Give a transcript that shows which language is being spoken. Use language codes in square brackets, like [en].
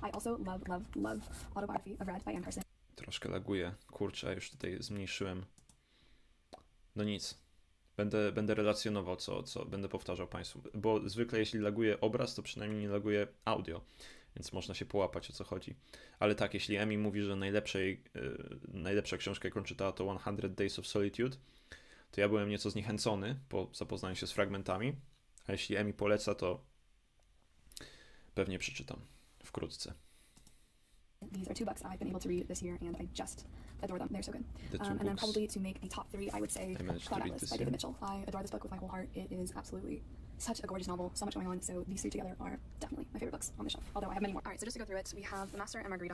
[en] I also love Autobiography of Red by Anne Carson. [pl] Troszkę laguje. Kurczę, już tutaj zmniejszyłem. No nic. Będę relacjonował, co będę powtarzał Państwu. Bo zwykle jeśli laguje obraz, to przynajmniej nie laguje audio. Więc można się połapać, o co chodzi. Ale tak, jeśli Emi mówi, że najlepsza książka, jaką czytała, to 100 Days of Solitude, to ja byłem nieco zniechęcony po zapoznaniu się z fragmentami. A jeśli Emi poleca, to pewnie przeczytam wkrótce. [en] These are two books I've been able to read this year, and I just adore them. They're so good. And then probably to make the top three, I would say Cloud Atlas by David Mitchell. I adore this book with my whole heart. It is absolutely such a gorgeous novel, so much going on. So these three together are definitely my favorite books on the shelf, although I have many more. All right, so just to go through it, we have The Master and Margarita.